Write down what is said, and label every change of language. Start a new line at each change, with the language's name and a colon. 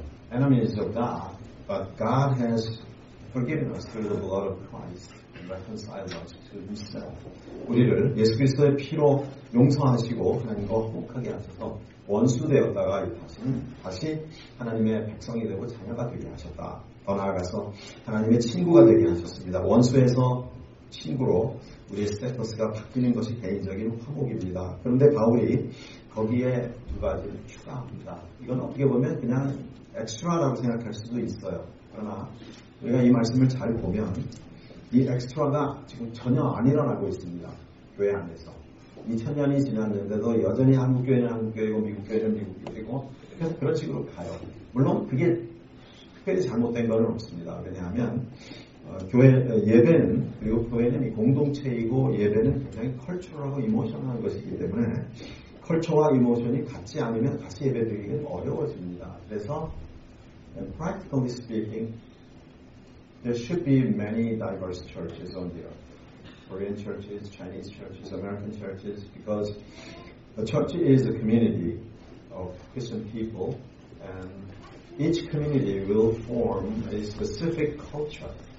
English: Enemies of God, but God has forgiven us through the blood of Christ and reconciled us to Himself.
Korean: 우리를 예수 그리스도의 피로 용서하시고 하나님과 화목하게 하셔서 원수 되었다가 다시 하나님의 백성이 되고 자녀가 되게 하셨다. 더 나아가서 하나님의 친구가 되게 하셨습니다. 원수에서 친구로 우리의 스태터스가 바뀌는 것이 개인적인 화목입니다. 그런데 바울이 거기에 두 가지를 추가합니다. 이건 어떻게 보면 그냥 엑스트라라고 생각할 수도 있어요. 그러나 우리가 이 말씀을 잘 보면 이 엑스트라가 지금 전혀 안 일어나고 있습니다. 교회 안에서. 2000년이 지났는데도 여전히 한국교회는 한국교회고 미국교회는 미국교회고 계속 그런 식으로 가요. 물론 그게 특별히 잘못된 건 없습니다. 왜냐하면 예배는 그리고 교회는 이 공동체이고 예배는 굉장히 컬처라고 이모션한 것이기 때문에 컬처와 이모션이 같지 않으면 같이 예배드리기는 어려워집니다. 그래서
English: practically speaking, there should be many diverse churches on the earth. Korean churches, Chinese churches, American churches, because a church is a community of Christian people, and each community will form a specific culture.